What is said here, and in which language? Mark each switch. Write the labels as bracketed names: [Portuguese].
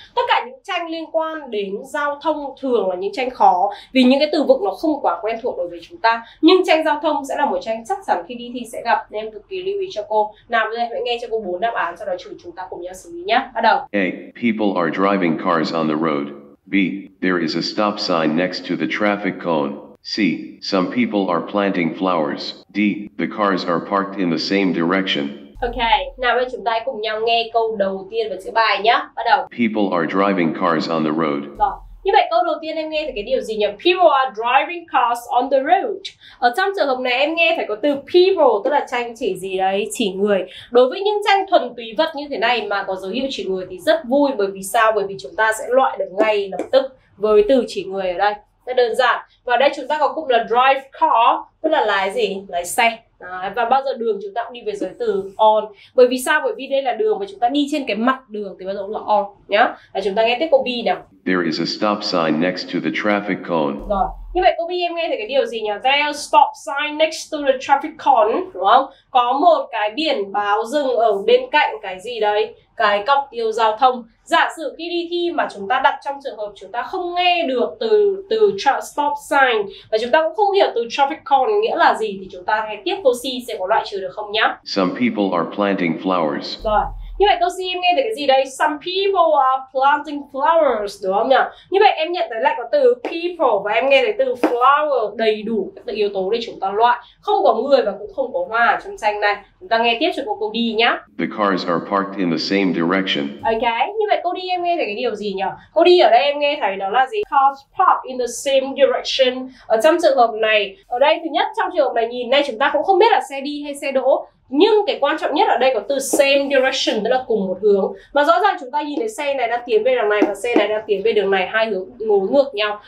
[Vietnamese] Tất cả những tranh liên quan đến giao thông thường là những tranh khó, vì những cái từ vựng nó không quá quen thuộc đối với chúng ta. Nhưng tranh giao thông sẽ là một tranh chắc chắn khi đi thi sẽ gặp, nên em cực kỳ lưu ý cho cô. Nào bây giờ hãy nghe cho cô 4 đáp án, sau đó chúng ta cùng nhau xử lý nhé. Bắt đầu. [English] A. People are driving cars on the road. B. There is a stop sign next to the traffic cone. C. Some people are planting flowers. D. The cars are parked in the same direction. [Vietnamese] Okay, nào bây giờ chúng ta hãy cùng nhau nghe câu đầu tiên và chữ bài nhé. Bắt đầu. [English] People are driving cars on the road. [Vietnamese] Rồi. Như vậy câu đầu tiên em nghe thấy cái điều gì nhỉ? People are driving cars on the road. Ở trong trường hợp này em nghe phải có từ people, tức là tranh chỉ gì đấy, chỉ người. Đối với những tranh thuần túy vật như thế này mà có dấu hiệu chỉ người thì rất vui. Bởi vì sao? Bởi vì chúng ta sẽ loại được ngay lập tức với từ chỉ người ở đây. Rất đơn giản. Và đây chúng ta có cụm là drive car, tức là lái gì? Lái xe. Đó. Và bao giờ đường chúng ta cũng đi về giới từ on. Bởi vì sao? Bởi vì đây là đường và chúng ta đi trên cái mặt đường thì bao giờ cũng là on nhá. Và chúng ta nghe tiếp câu B nào. [English] There is a stop sign next to the traffic cone. [Vietnamese] Rồi. Như vậy câu B em nghe thấy cái điều gì nhỉ? There is a stop sign next to the traffic cone, đúng không? Có một cái biển báo dừng ở bên cạnh cái gì đấy? Cái cọc tiêu giao thông. Giả sử khi đi thi mà chúng ta đặt trong trường hợp chúng ta không nghe được từ stop sign và chúng ta cũng không hiểu từ traffic cone nghĩa là gì thì chúng ta hãy tiếp câu C sẽ có loại trừ được không nhá. [English] Some people are planting flowers. [Vietnamese] Rồi. Như vậy câu C em nghe thấy cái gì đây? Some people are planting flowers, đúng không nhỉ? Như vậy em nhận thấy lại có từ people và em nghe thấy từ flower đầy đủ các từ yếu tố để chúng ta loại. Không có người và cũng không có hoa trong tranh này. Chúng ta nghe tiếp cho câu D nhá. [English] The cars are parked in the same direction. [Vietnamese] Ok, như vậy câu D em nghe thấy cái điều gì nhỉ? Câu D ở đây em nghe thấy đó là gì? Cars parked in the same direction. Ở trong trường hợp này, ở đây thứ nhất trong trường hợp này nhìn này chúng ta cũng không biết là xe đi hay xe đỗ. Nhưng cái quan trọng nhất ở đây có từ same direction, tức là cùng một hướng. Mà rõ ràng chúng ta nhìn thấy xe này đang tiến về đường này và xe này đang tiến về đường này, hai hướng nối ngược nhau.